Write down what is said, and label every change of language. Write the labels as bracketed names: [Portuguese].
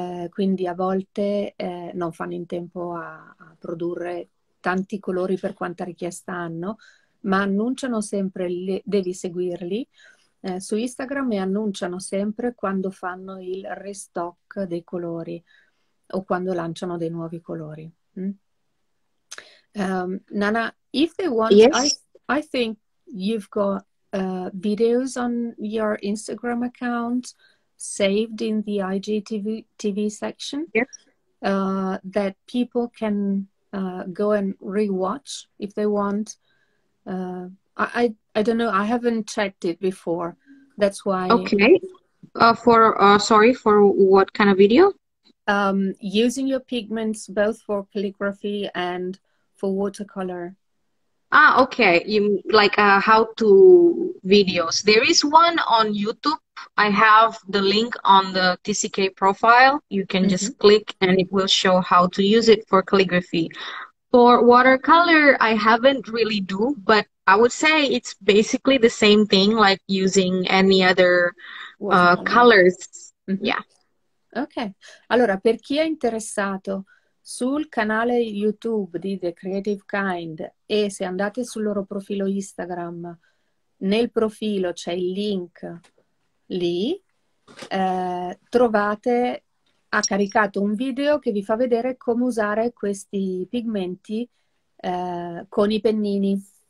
[Italian] quindi a volte non fanno in tempo a produrre tanti colori per quanta richiesta hanno, ma annunciano sempre, devi seguirli su Instagram e annunciano sempre quando fanno il restock dei colori o quando lanciano dei nuovi colori. [English] Nana, if they want, yes. I think you've got videos on your Instagram account saved in the IGTV TV section, yes. That people can go and rewatch if they want. I don't know, I haven't checked it before. That's why. Okay. Sorry, for what kind of video? Using your pigments both for calligraphy and for watercolor. Ah, okay. You like how to videos. There is one on YouTube. I have the link on the TCK profile. You can just click and it will show how to use it for calligraphy. For watercolor, I haven't really do, but I would say it's basically the same thing like using any other Watercolor. colors. Yeah. [Italian] Ok, allora per chi è interessato sul canale YouTube di The Creative Kind e se andate sul loro profilo Instagram, nel profilo c'è il link lì, trovate, ha caricato un video che vi fa vedere come usare questi pigmenti con i pennini.